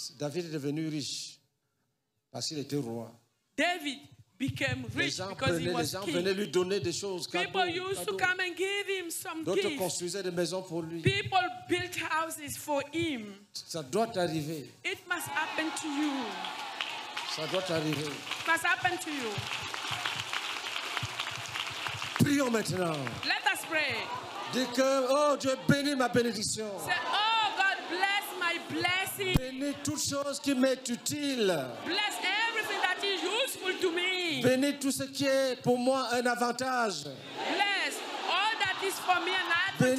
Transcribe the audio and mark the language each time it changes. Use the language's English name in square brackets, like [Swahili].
[French] David est devenu riche parce qu'il était roi. [English] David became rich because he was king. [French] Les gens venaient lui donner des choses. [English] People used to come and give him some gifts. [French] D'autres construisaient des maisons pour lui. [English] People built houses for him. [French] Ça doit arriver. [English] It must happen to you. [French] Ça doit arriver. [English] It must happen to you. [French] Prions maintenant. [English] Let us pray. [French] Dis que, oh Dieu, bénis ma bénédiction. [English] Say, oh God, bless my blessing. [French] Bénis toutes choses qui m'est utile. [English] Bless useful to me. [French] Bénis tout ce qui est pour moi un avantage. [English] Bless all that is for me an advantage.